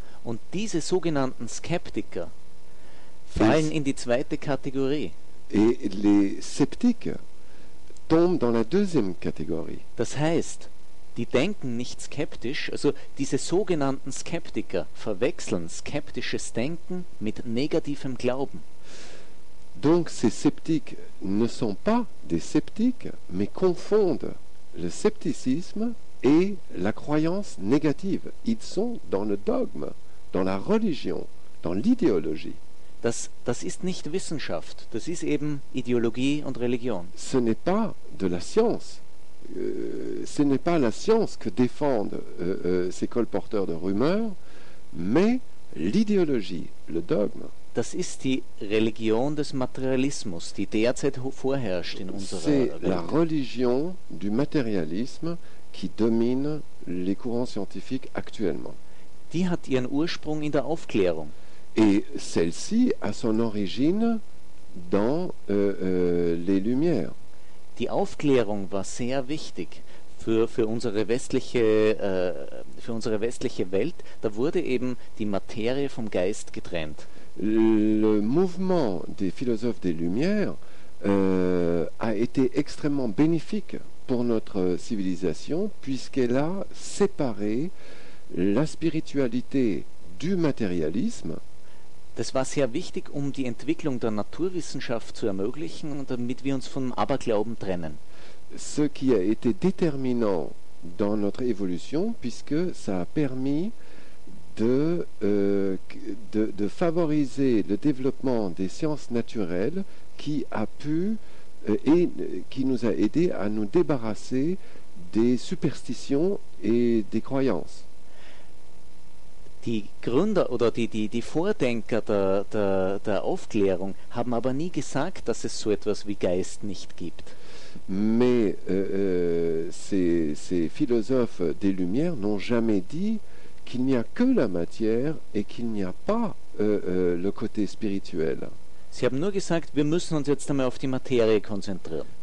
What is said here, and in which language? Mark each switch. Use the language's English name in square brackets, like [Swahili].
[German] Und diese sogenannten Skeptiker fallen in die zweite Kategorie. [French] Et les sceptiques tombent dans la deuxième catégorie. [German] Das heißt, die denken nicht skeptisch, also diese sogenannten Skeptiker verwechseln skeptisches Denken mit negativem Glauben. [French] Donc ces sceptiques ne sont pas des sceptiques, mais confondent le scepticisme et la croyance négative. Ils sont dans le dogme. Dans la religion, dans l'idéologie. [German] Das ist nicht Wissenschaft, das ist eben Ideologie und Religion. [French] Ce n'est pas de la science. Ce n'est pas la science que défendent ces colporteurs de rumeurs, mais l'idéologie, le dogme. [German] Das ist die Religion des Materialismus, die derzeit vorherrscht in unserer C'est Welt. [French] La religion du matérialisme qui domine les courants scientifiques actuellement. [German] Die hat ihren Ursprung in der Aufklärung. [French] Et celle-ci a son origine dans les Lumières. [German] Die Aufklärung war sehr wichtig für unsere westliche Welt. Da wurde eben die Materie vom Geist getrennt. [French] Le mouvement des philosophes des Lumières a été extrêmement bénéfique pour notre civilisation puisqu'elle a séparé la spiritualité du matérialisme. [German] Das war sehr wichtig, um die Entwicklung der Naturwissenschaft zu ermöglichen und damit wir uns vom Aberglauben trennen. [French] Ce qui a été déterminant dans notre évolution, puisque ça a permis de favoriser le développement des sciences naturelles qui a pu et qui nous a aidé à nous débarrasser des superstitions et des croyances. [German] Die Gründer oder die Vordenker der Aufklärung haben aber nie gesagt, dass es so etwas wie Geist nicht gibt. [French] Mais ces philosophes des Lumières n'ont jamais dit qu'il n'y a que la matière et qu'il n'y a pas le côté spirituel. [German] Sie haben nur gesagt, wir müssen uns jetzt einmal auf die Materie konzentrieren.